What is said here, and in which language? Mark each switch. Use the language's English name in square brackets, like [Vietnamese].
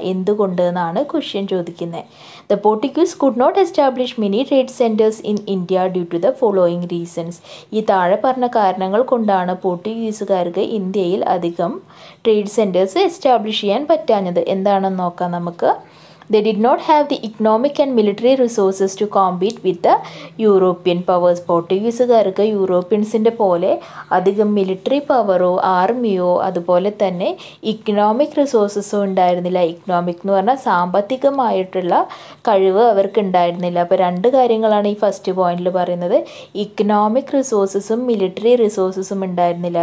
[Malayalam] എന്തുകൊണ്ട് എന്നാണ് ക്വസ്റ്റ്യൻ ചോദിക്കുന്നത്. [English] The Portuguese could not establish many trade centres in India due to the following reasons. [Malayalam] ഈ താഴെ പറഞ്ഞ കാരണങ്ങൾ കൊണ്ടാണ് പോർട്ടുഗീസുകാർക്ക് ഇന്ത്യയിൽ അധികം ട്രേഡ് സെൻറ്റേഴ്സ് എസ്റ്റാബ്ലിഷ് ചെയ്യാൻ പറ്റാഞ്ഞത്. എന്താണെന്ന് നോക്കാം നമുക്ക്. [English] They did not have the economic and military resources to compete with the European powers. [Malayalam] പോർട്ടുഗീസുകാർക്ക് യൂറോപ്യൻസിൻ്റെ പോലെ അധികം മിലിറ്ററി പവറോ ആർമിയോ അതുപോലെ തന്നെ ഇക്കണോമിക് റിസോഴ്സസോ ഉണ്ടായിരുന്നില്ല. ഇക്കണോമിക് എന്ന് പറഞ്ഞാൽ സാമ്പത്തികമായിട്ടുള്ള കഴിവ് അവർക്ക് ഉണ്ടായിരുന്നില്ല. അപ്പോൾ രണ്ട് കാര്യങ്ങളാണ് ഈ ഫസ്റ്റ് പോയിന്റിൽ പറയുന്നത്. ഇക്കണോമിക് റിസോഴ്സസും മിലിറ്ററി റിസോഴ്സസും ഉണ്ടായിരുന്നില്ല.